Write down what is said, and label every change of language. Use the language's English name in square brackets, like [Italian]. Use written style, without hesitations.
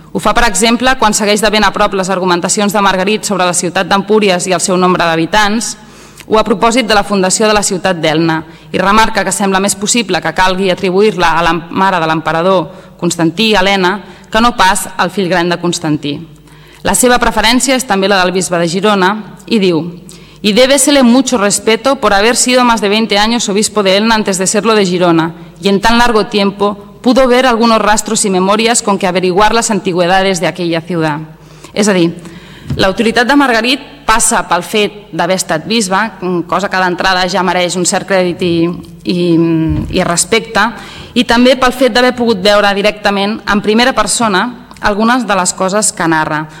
[Catalan] Ho fa, per exemple, quan segueix de ben a prop les argumentacions de Margarit sobre la ciutat d'Empúries i el seu nombre d'habitants, o a propòsit de la fundació de la ciutat d'Elna, i remarca que sembla més possible que calgui atribuir-la a la mare de l'emperador Constantí, Helena, que no pas al fill gran de Constantí. La seva preferència és també la del bisbe de Girona, i diu: [Spanish] «Y débesele mucho respeto por haber sido más de 20 años obispo de Elna antes de serlo de Girona, y en tan largo tiempo pudo ver algunos rastros y memorias con que averiguar las antigüedades de aquella ciudad». [Catalan] És a dir, l'autoritat de Margarit passa pel fet d'haver estat bisbe, cosa que d'entrada ja mereix un cert crèdit i respecte, i també pel fet d'haver pogut veure directament, en primera persona, algunes de les coses que narra.